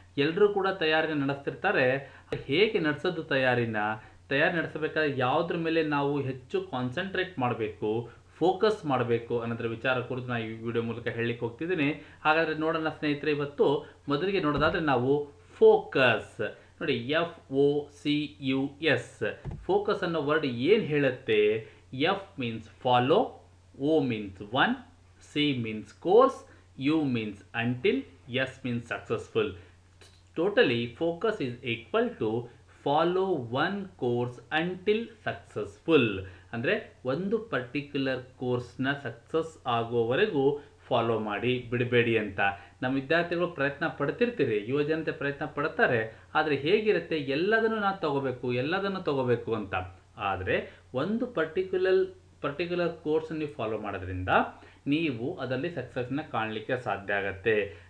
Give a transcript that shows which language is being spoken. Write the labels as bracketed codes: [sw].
[kn] ಎಲ್ಲರೂ ಕೂಡ ತಯಾರಿನ ನಡೆಸ್ತಿರ್ತಾರೆ. ಹೇಗೆ ನಡೆಸೋದು ತಯಾರಿನ, ತಯಾರಿ ನಡೆಸಬೇಕಾದ್ರೆ ಯಾವುದ್ರ ಮೇಲೆ ನಾವು ಹೆಚ್ಚು ಕಾನ್ಸಂಟ್ರೇಟ್ ಮಾಡಬೇಕು, ಫೋಕಸ್ ಮಾಡಬೇಕು ಅನ್ನೋದ್ರ ವಿಚಾರ ಕುರಿತು ನಾನು ಈ ವಿಡಿಯೋ ಮೂಲಕ ಹೇಳಲಿಕ್ಕೆ ಹೋಗ್ತಿದ್ದೀನಿ. ಹಾಗಾದರೆ ನೋಡೋಣ ಸ್ನೇಹಿತರೆ, ಇವತ್ತು ಮೊದಲಿಗೆ ನೋಡೋದಾದರೆ ನಾವು ಫೋಕಸ್ ನೋಡಿ, FOCUS. ಫೋಕಸ್ ಅನ್ನೋ ವರ್ಡ್ ಏನು ಹೇಳುತ್ತೆ? [en] F means follow, O means one, C means course, U means until, S means successful. Totally, focus is equal to follow one course until successful. [kn] ಅಂದರೆ ಒಂದು ಪರ್ಟಿಕ್ಯುಲರ್ ಕೋರ್ಸ್ನ ಸಕ್ಸಸ್ ಆಗೋವರೆಗೂ follow ಮಾಡಿ ಬಿಡಬೇಡಿ ಅಂತ. ನಮ್ಮ ವಿದ್ಯಾರ್ಥಿಗಳು ಪ್ರಯತ್ನ ಪಡ್ತಿರ್ತೀರಿ, ಯುವಜನತೆ ಪ್ರಯತ್ನ ಪಡ್ತಾರೆ, ಆದರೆ ಹೇಗಿರುತ್ತೆ, ಎಲ್ಲದನ್ನು ನಾನು ತೊಗೋಬೇಕು, ಎಲ್ಲದನ್ನು ತೊಗೋಬೇಕು ಅಂತ. ಆದರೆ ಒಂದು ಪರ್ಟಿಕ್ಯುಲರ್ ಕೋರ್ಸನ್ನು ನೀವು ಫಾಲೋ ಮಾಡೋದ್ರಿಂದ ನೀವು ಅದರಲ್ಲಿ ಸಕ್ಸಸ್ನ ಕಾಣಲಿಕ್ಕೆ ಸಾಧ್ಯ ಆಗತ್ತೆ.